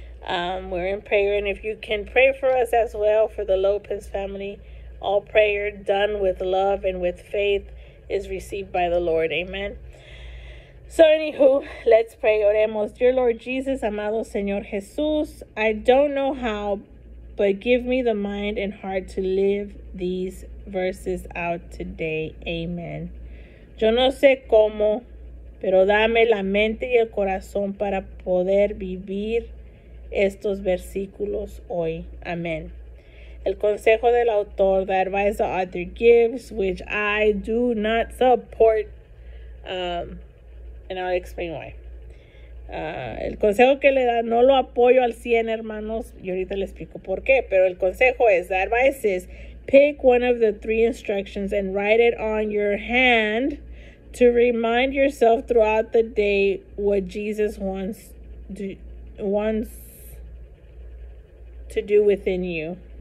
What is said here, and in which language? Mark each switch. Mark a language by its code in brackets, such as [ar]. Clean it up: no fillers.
[en] We're in prayer. And if you can pray for us as well, for the Lopez family, all prayer done with love and with faith is received by the Lord. Amen. So anywho, let's pray. [es] Oremos. [en] Dear Lord Jesus, [es] amado Señor Jesús, [en] I don't know how, but give me the mind and heart to live these verses out today. Amen. [es] Yo no sé cómo, pero dame la mente y el corazón para poder vivir estos versículos hoy. Amen. El consejo del autor, [en] the advice the author gives, which I do not support, and I'll explain why. [es] El consejo que le da, no lo apoyo al 100, hermanos, y ahorita le explico por qué, pero el consejo es, [en] the advice is, pick one of the three instructions and write it on your hand to remind yourself throughout the day what Jesus wants to do within you.